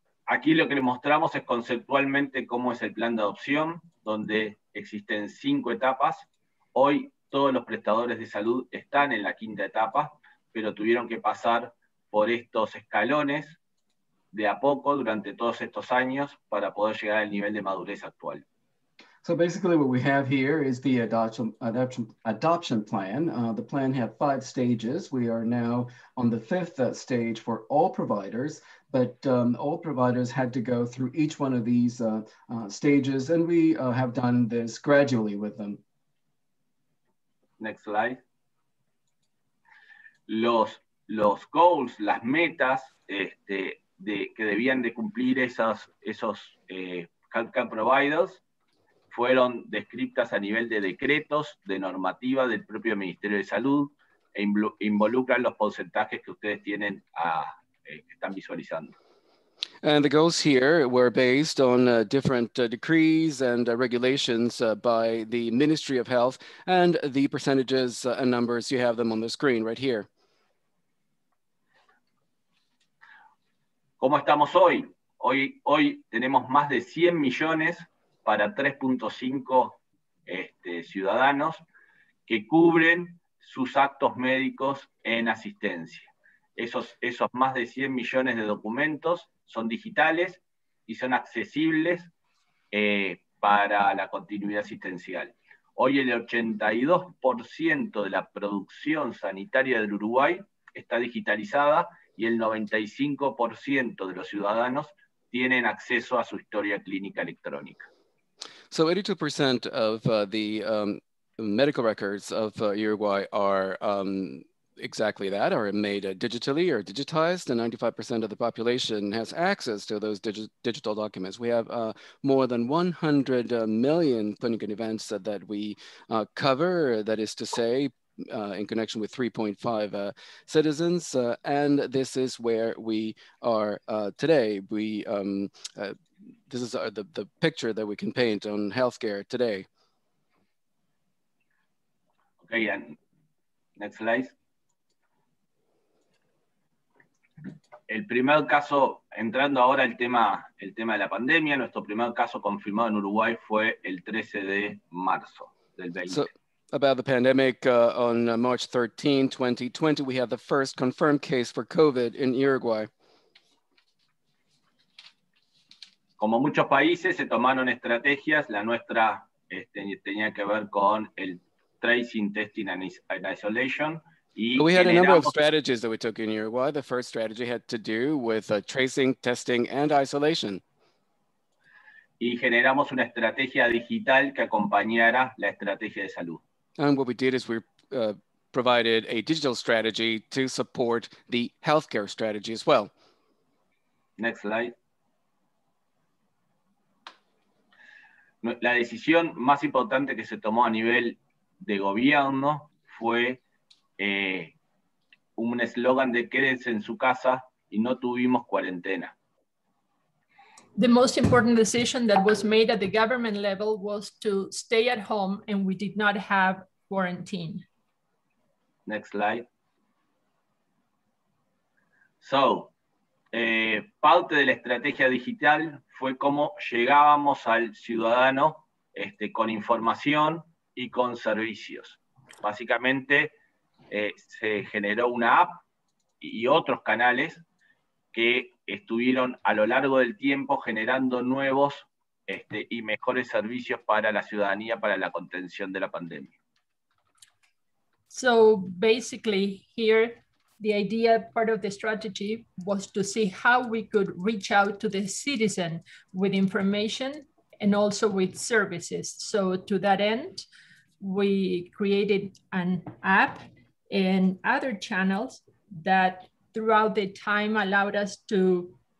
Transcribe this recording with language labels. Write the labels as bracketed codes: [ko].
[es] Aquí lo que le mostramos es conceptualmente cómo es el plan de adopción, donde existen 5 etapas. Hoy todos los prestadores de salud están en la 5ª etapa, pero tuvieron que pasar por estos escalones de a poco durante todos estos años para poder llegar al nivel de madurez actual. [en] So basically what we have here is the adoption plan. The plan had 5 stages. We are now on the 5th stage for all providers, but all providers had to go through each one of these stages, and we have done this gradually with them. Next slide. [es] Los goals, las metas que debían de cumplir esos providers, fueron descritas a nivel de decretos, de normativa del propio Ministerio de Salud, e involucran los porcentajes que ustedes tienen que están visualizando. [en] And the goals here were based on different decrees and regulations by the Ministry of Health, and the percentages and numbers, you have them on the screen right here. [es] ¿Cómo estamos hoy? Hoy tenemos más de 100 millones para 3.5 ciudadanos que cubren sus actos médicos en asistencia. Esos más de 100 millones de documentos son digitales y son accesibles para la continuidad asistencial. Hoy el 82% de la producción sanitaria del Uruguay está digitalizada y el 95% de los ciudadanos tienen acceso a su historia clínica electrónica. [en] So 82% of the medical records of Uruguay are exactly that, are made digitally or digitized, and 95% of the population has access to those digital documents. We have more than 100 million clinical events that we cover, that is to say, in connection with 3.5 citizens, and this is where we are today. This is the picture that we can paint on healthcare today. Okay, and next slide. [es] El primer caso, entrando ahora el tema de la pandemia, nuestro primer caso confirmado en Uruguay fue el 13 de marzo del 20. [en] So, about the pandemic, on March 13, 2020, we have the first confirmed case for COVID in Uruguay. [es] Como muchos países, se tomaron estrategias. La nuestra tenía que ver con el [en] tracing, testing, and isolation. We had a number of strategies that we took in Uruguay. The first strategy had to do with tracing, testing, and isolation. [es] Y generamos una estrategia digital que acompañara la estrategia de salud. [en] And what we did is we provided a digital strategy to support the healthcare strategy as well. Next slide. [es] La decisión más importante que se tomó a nivel de gobierno fue un eslogan de quédense en su casa y no tuvimos cuarentena. [en] The most important decision that was made at the government level was to stay at home and we did not have quarantine. Next slide. [es] So, parte de la estrategia digital fue cómo llegábamos al ciudadano con información y con servicios. Básicamente, se generó una app y otros canales que estuvieron a lo largo del tiempo generando nuevos y mejores servicios para la ciudadanía, para la contención de la pandemia. [en] So, basically, here, the idea, part of the strategy, was to see how we could reach out to the citizen with information and also with services. So to that end, we created an app and other channels that throughout the time allowed us to